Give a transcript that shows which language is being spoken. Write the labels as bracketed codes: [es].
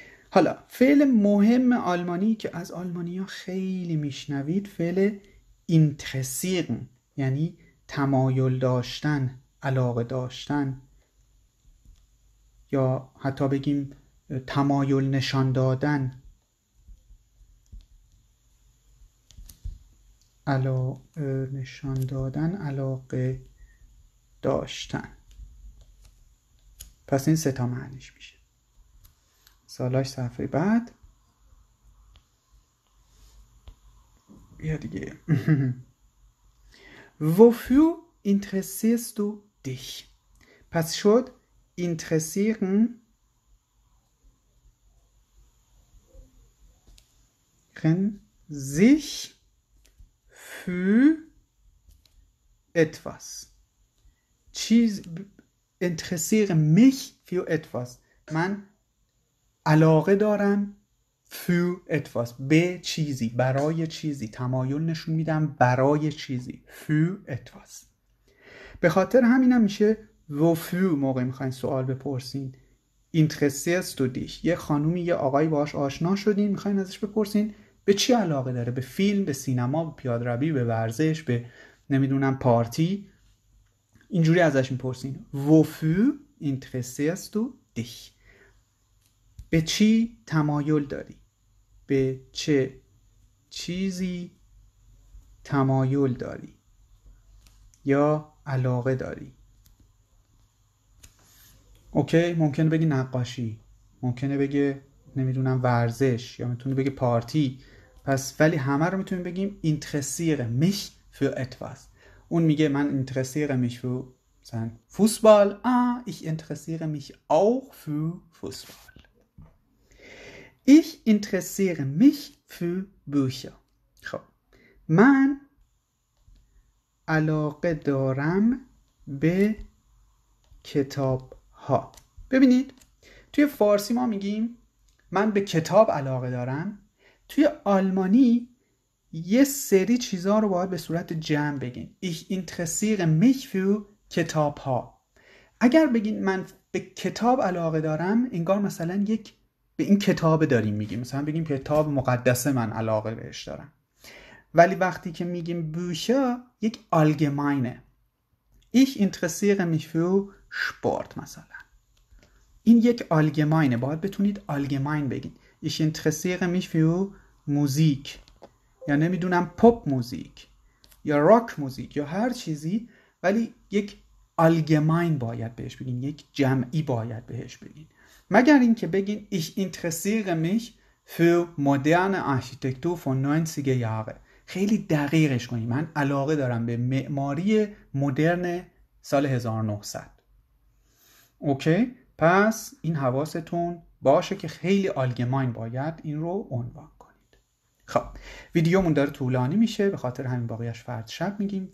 [fa] حالا فعل مهم آلمانی که از آلمانی ها خیلی میشنوید فعل interessieren، یعنی تمایل داشتن، علاقه داشتن، یا حتی بگیم تمایل نشان دادن، علاقه داشتن. پس این سه تا معنیش میشه. سالاش صفحه بعد یا دیگه [de] Wofür interessierst du dich؟ [fa] پس شد [de] interessieren sich für etwas. [fa] چیز [de] interessieren mich für etwas. [fa] من علاقه دارم [de] für etwas، [fa] به چیزی، برای چیزی، تمایل نشون میدم برای چیزی، für etwas. به خاطر همینم میشه wofür. موقعی میخواین سوال بپرسین [de] interessierst du dich، [fa] یه خانومی یه آقایی باهاش آشنا شدین، میخواین ازش بپرسین به چی علاقه داره، به فیلم، به سینما، به پیاده‌روی، به ورزش، به نمیدونم پارتی، اینجوری ازش میپرسین wofür [de] interessierst du dich? [fa] به چی تمایل داری؟ به چه چیزی تمایل داری؟ یا علاقه داری؟ اوکی، ممکنه بگی نقاشی، ممکنه بگی نمیدونم ورزش، یا میتونه بگی پارتی. پس ولی همه رو میتونیم بگیم [de] interessiere mich für etwas. [fa] اون میگه من [de] interessiere mich für [fa] مثلا فوتبال، [de] ich interessiere mich auch für Fußball. Ich interessiere mich für Bücher. [fa] خب من علاقه دارم به کتاب ها. ببینید توی فارسی ما میگیم من به کتاب علاقه دارم، توی آلمانی یه سری چیزا رو باید به صورت جمع بگین. [de] Ich interessiere mich für [fa] کتاب ها. اگر بگین من به کتاب علاقه دارم، انگار مثلا یک به این کتاب داریم میگیم، مثلا بگیم کتاب مقدس من علاقه بهش دارم. ولی وقتی که میگیم بوشه، یک آلگماینه. [de] Ich interessiere mich für Sport مثلا. [fa] این یک آلگماینه، باید بتونید آلگماین بگین. [de] Ich interessiere mich für Musik. [fa] یا نمیدونم پاپ موزیک یا راک موزیک یا هر چیزی، ولی یک آلگماین باید بهش بگین، یک جمعی باید بهش بگین. مگر اینکه بگین [de] ich interessiere mich für moderne Architektur von 90er Jahre. [fa] خیلی دقیقش کنین، من علاقه دارم به معماری مدرن سال 1900. اوکی، پس این حواستون باشه که خیلی آلگماین باید این رو عنوان. خب ویدیومون داره طولانی میشه، به خاطر همین باقیش فرد شب میگیم.